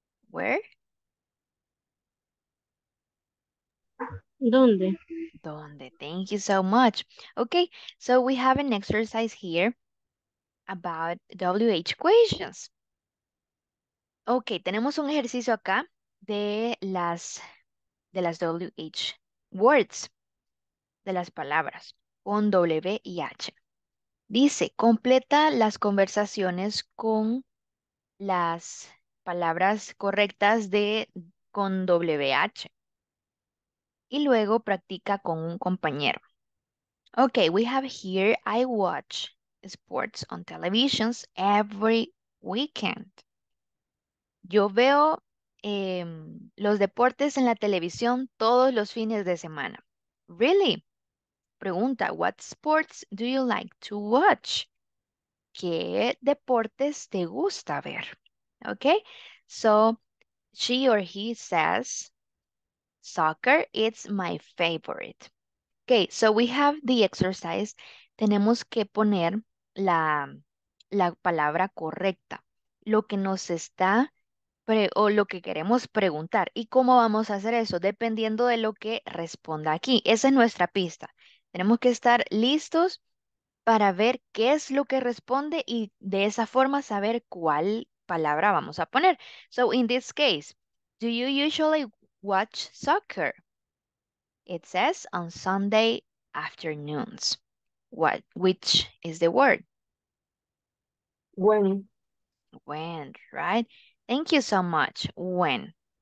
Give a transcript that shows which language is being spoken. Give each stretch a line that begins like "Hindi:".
English: Where?
Spanish: ¿Dónde? ¿Dónde?
English: Thank you so much. Okay, so we have an exercise here about WH questions.
Spanish: Okay, tenemos un ejercicio acá de las WH words, de las palabras con W y H. Dice, completa las conversaciones con las palabras correctas con WH. Y luego practica con un compañero.
English: Okay, we have here, I watch sports on televisions every weekend.
Spanish: Yo veo los deportes en la televisión todos los fines de semana.
English: Really? Pregunta, what sports do you like to watch?
Spanish: ¿Qué deportes te gusta ver?
English: Okay, so she or he says, soccer, it's my favorite. Okay, so we have the exercise.
Spanish: Tenemos que poner la palabra correcta, lo que nos está o lo que queremos preguntar. ¿Y cómo vamos a hacer eso? Dependiendo de lo que responda aquí. Esa es nuestra pista. Tenemos que estar listos para ver qué es lo que responde y de esa forma saber cuál palabra vamos a poner.
English: So in this case, do you usually watch soccer? It says on Sunday afternoons. What, which is the word?
Spanish: Bueno.
English: When, right? Thank you so much. When.